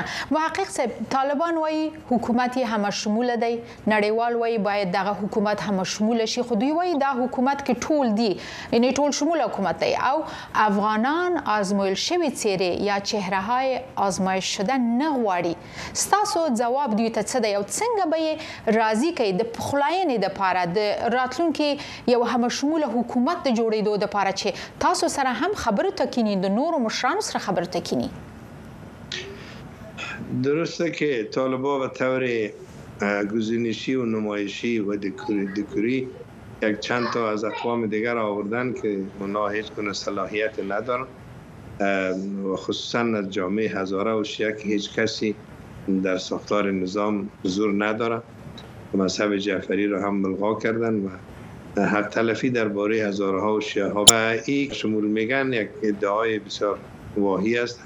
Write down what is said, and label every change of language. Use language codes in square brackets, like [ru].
[ps] محقق صاحب، طالبان وای حکومتی همه شمول دی، نړیوال وای باید دغه حکومت همه شمول شي، خو دوی وای دا حکومت کې ټول دی، یعنی ټول شمول حکومت دی، او افغانان آزمویل شوی چهره یا [fa] چهره های آزمایش شده [ps] نه غواړي. ستاسو جواب دوی ته څه دی او څنګه به یې راضي کړئ د پخلاینې دپاره، د راتلونکي یو همه شموله حکومت د جوړېدو دپاره چې تاسو سره هم خبرو ته کینی د نورو مشرانو سره خبر تکینی؟ [fa] درسته که طالبا به طور گزینشی و نمایشی و دکوری یک چند تا از اقوام دیگر آوردن که اونا هیچ گونه صلاحیت ندارن و خصوصا از جامعه هزاره و شیعه که هیچ کسی در ساختار نظام حضور نداره، مذهب جعفری رو هم ملغا کردن و حق تلفی در باره هزاره ها و شیعه ها و این شمول میگن یک ادعای بسیار واهی است.